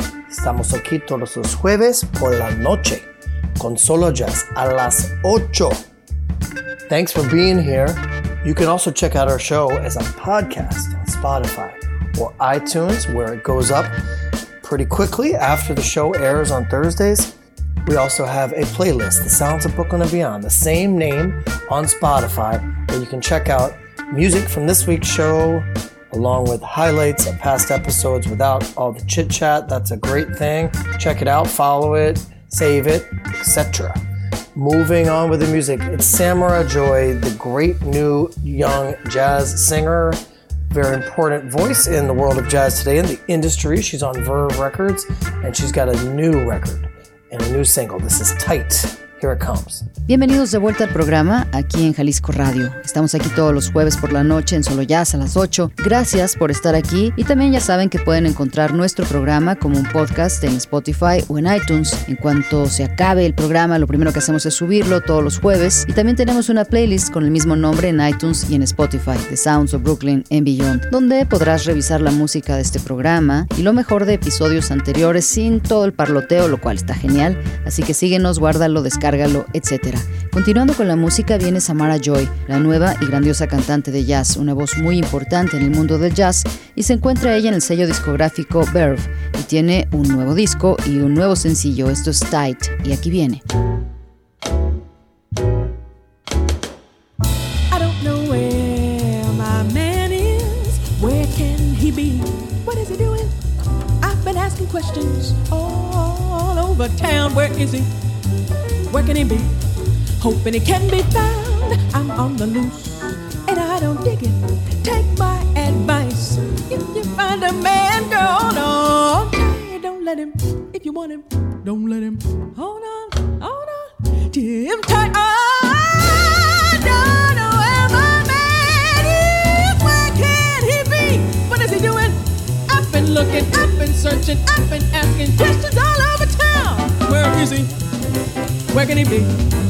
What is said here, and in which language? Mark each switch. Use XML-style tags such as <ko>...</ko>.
<es>Estamos aquí todos los jueves por la noche, con Solo Jazz a las 8.</es> <en>Thanks for being here. You can also check out our show as a podcast on Spotify or iTunes, where it goes up pretty quickly after the show airs on Thursdays. We also have a playlist, The Sounds of Brooklyn and Beyond, the same name on Spotify, where you can check out music from this week's show, along with highlights of past episodes without all the chit-chat. That's a great thing. Check it out, follow it, save it, etc. Moving on with the music, it's Samara Joy, the great new young jazz singer, very important voice in the world of jazz today in the industry. She's on Verve Records, and she's got a new record and a new single. This is Tight. Here it comes.</en> <es>Bienvenidos de vuelta al programa aquí en Jalisco Radio. Estamos aquí todos los jueves por la noche en Solo Jazz a las 8. Gracias por estar aquí y también ya saben que pueden encontrar nuestro programa como un podcast en Spotify o en iTunes. En cuanto se acabe el programa, lo primero que hacemos es subirlo todos los jueves y también tenemos una playlist con el mismo nombre en iTunes y en Spotify, The Sounds of Brooklyn and Beyond, donde podrás revisar la música de este programa y lo mejor de episodios anteriores sin todo el parloteo, lo cual está genial. Así que síguenos, guárdalo, descárgalo, etc. Continuando con la música, viene Samara Joy, la nueva y grandiosa cantante de jazz, una voz muy importante en el mundo del jazz, y se encuentra ella en el sello discográfico Verve, y tiene un nuevo disco y un nuevo sencillo, esto es Tight, y aquí viene.</es> <en>I don't know where my man is, where can he be, what is he doing? I've been asking questions all over town, where is he, where can he be? Hoping it can be found, I'm on the loose, and I don't dig it, take my advice, if you find a man, girl, hold on, don't let him, if you want him, don't let him, hold on, hold on, Tim tight, oh, I don't know where my man is, where can he be, what is he doing, I've been looking, I've been searching, I've been asking questions all over town, where is he, where can he be?</en>